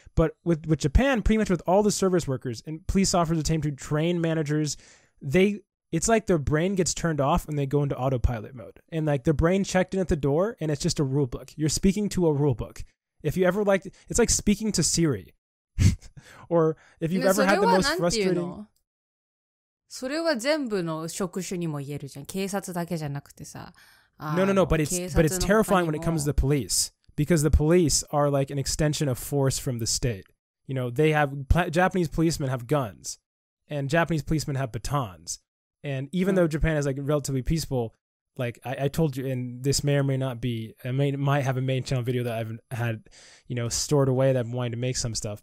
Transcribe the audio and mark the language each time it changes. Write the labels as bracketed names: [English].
[English] But with Japan, pretty much with all the service workers and police officers, the same to train managers, it's like their brain gets turned off and they go into autopilot mode. And, like, their brain checked in at the door and it's just a rule book. You're speaking to a rule book. If you ever liked, it's like speaking to Siri. Or if you've ever had the most frustrating... [Japanese] それは全部の職種にも言えるじゃん。警察だけじゃなくてさ。 [English] No, but it's terrifying when it comes to the police, because the police are like an extension of force from the state. You know, they have, Japanese policemen have guns, and Japanese policemen have batons. And even though Japan is like relatively peaceful, like I told you, and this may or may not be, might have a main channel video that I've had, you know, stored away that I'm wanting to make some stuff.